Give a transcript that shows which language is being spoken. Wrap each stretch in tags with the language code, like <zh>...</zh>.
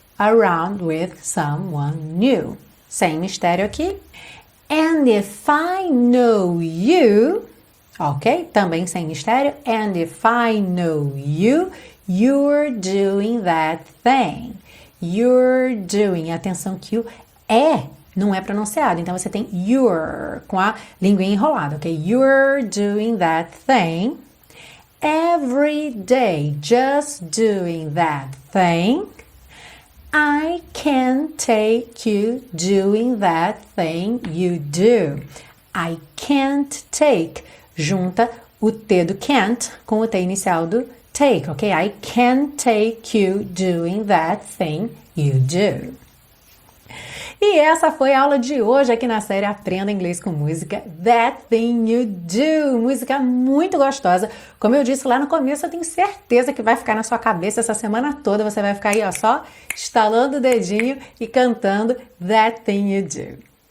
<en>Around with someone new.</en> <pt>Sem mistério aqui.</pt> <en>And if I know you. Ok?</en> <pt>Também sem mistério.</pt> <en>And if I know you, you're doing that thing. You're doing.</en> <pt>Atenção que o é. Não é pronunciado, então você tem you're com a língua enrolada, ok?</pt> <en>You're doing that thing every day, just doing that thing. I can take you doing that thing you do. I can't take,</en> <pt>junta o T do can't com o T inicial do take, ok?</pt> <en>I can take you doing that thing you do.</en> <pt>E essa foi a aula de hoje aqui na série Aprenda Inglês com Música, That Thing You Do, música muito gostosa. Como eu disse lá no começo, eu tenho certeza que vai ficar na sua cabeça essa semana toda, você vai ficar aí ó, só estalando o dedinho e cantando That Thing You Do.</pt>